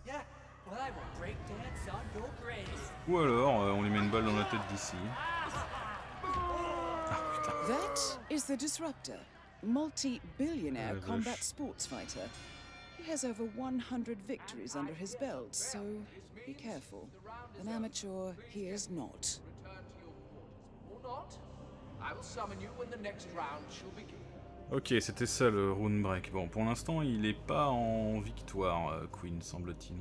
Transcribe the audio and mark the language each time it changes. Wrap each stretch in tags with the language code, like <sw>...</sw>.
<en>Yeah, well I will break dance on your grave.</en> <fr>Ou alors on lui met une balle dans la tête d'ici. Ah putain.</fr> <en>That is the Disruptor. Multi-billionaire combat sports fighter. He has over 100 victories under his belt, so be careful. An amateur, he is not. Or not, I will summon you when the next round shall begin.</en> <fr>Ok, c'était ça le rune break. Bon, pour l'instant, il est pas en victoire, Quinn, semble-t-il.</fr>